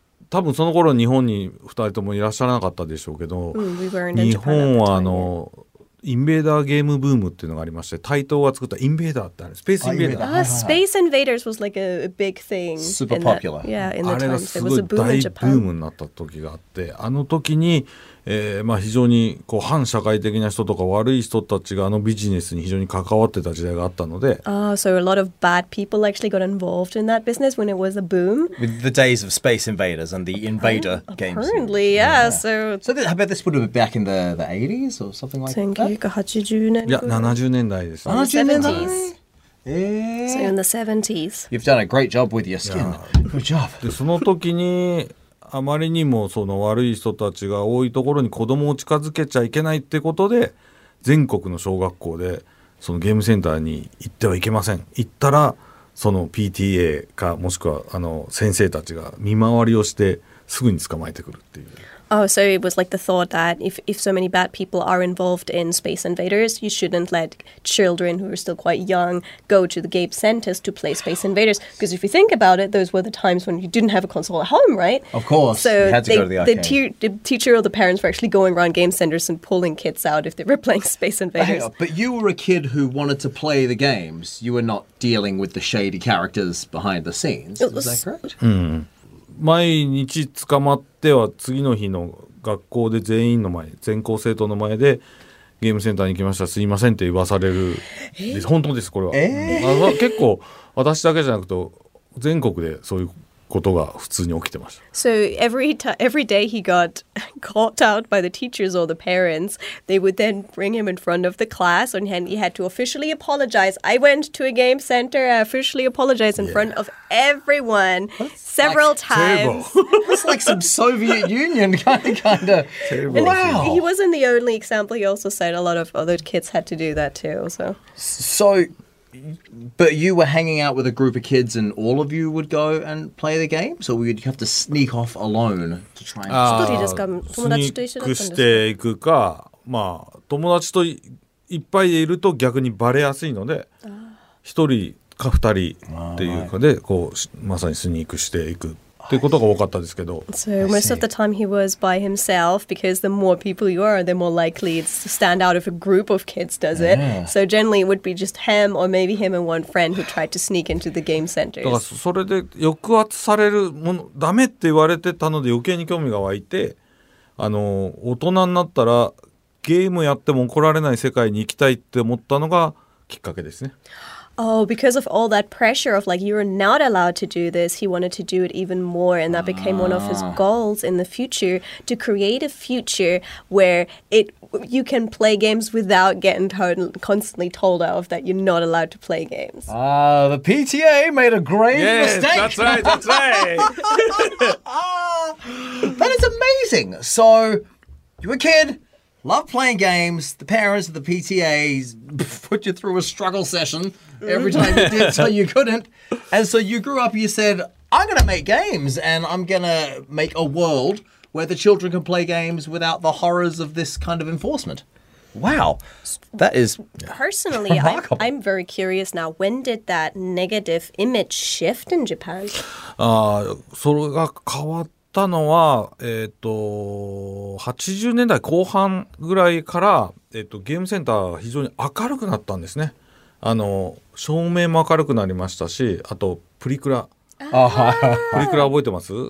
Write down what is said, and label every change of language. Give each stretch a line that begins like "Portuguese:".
Japanese: 多分その頃日本に2人ともいらっしゃらなかったでしょうけど、日本はあのインベーダーゲームブームっていうのがありまして、台東が作ったインベーダーってあるスペースインベーダー。
English: スペースインベーダー was like a big thing. Super popular. Yeah,
Japanese: あれがすごい大ブームになった時があって、あの時に、非常にこう反社会的な人とか悪い人たちがあのビジネスに非常に関わってた時代があったので。
English: So a lot of bad people actually got involved in that business when it was a boom. With the days of Space Invaders and the Invader games. Apparently, yeah. So how about this would have been back in the 80s or something like that? 1980s. So in the 70s. You've done a great job with your skin. Good job.
Japanese: で、その時に…あまりにもその悪い人たちが多いところに子供を近づけちゃいけないってことで、全国の小学校でそのゲームセンターに行ってはいけません、行ったらその PTA かもしくはあの先生たちが見回りをしてすぐに捕まえてくるっていう。
English: Oh, so it was like the thought that if so many bad people are involved in Space Invaders, you shouldn't let children who are still quite young go to the Gabe Centers to play Space Invaders. Because if you think about it, those were the times when you didn't have a console at home, right? Of course. So you had to go to the arcade. The teacher or the parents were actually going around Game Centers and pulling kids out if they were playing Space Invaders. But you were a kid who wanted to play the games. You were not dealing with the shady characters behind the scenes. Is that correct? Hmm.
Japanese: 毎日捕まっては次の日の学校で全員の前全校生徒の前でゲームセンターに来ましたすいませんって言わされる本当ですこれは、うん、あ結構私だけじゃなくて全国でそういうことが普通に起きてました
English: So every day he got caught out by the teachers or the parents they would then bring him in front of the class and he had to officially apologize I went to a game center I officially apologized in front of everyone several times it's like some Soviet Union kind of terrible. Wow. He wasn't the only example he also said a lot of other kids had to do that too so But you were hanging out with a group of kids and all of you would go and play the game? So you'd have to sneak off alone to try and... sneak
Japanese: していくか、まあ、友達といっぱいいると逆にバレやすいので、一人か二人っていうかで、こう、まさにスニークしていく。
English: So most of the time he was by himself because the more people you are, the more likely it's to stand out if a group of kids does it. So generally it would be just him or maybe him and one friend who tried to sneak into the game centers. だからそれで抑圧されるものダメって言われてたので余計に興味が湧いて、あの大人になったらゲームやっても怒られない世界に行きたいって思ったのがきっかけですね。 Oh, because of all that pressure of like, you're not allowed to do this, he wanted to do it even more. And that became one of his goals in the future, to create a future where it you can play games without getting constantly told off that you're not allowed to play games. The PTA made a grave mistake. Yes, that's right, that's right. That is amazing. So, you're a kid. Love playing games. The parents of the PTA put you through a struggle session every time you did so you couldn't. And so you grew up, you said, I'm going to make games and I'm going to make a world where the children can play games without the horrors of this kind of enforcement. Wow. That is Personally, remarkable. I'm very curious now. When did that negative image shift in Japan?
Japanese: それが変わったたのは、80年代後半ぐらいから、ゲームセンターが非常に明るくなったんですね。あの照明も明るくなりましたし、あとプリクラ、プリクラ覚えてます？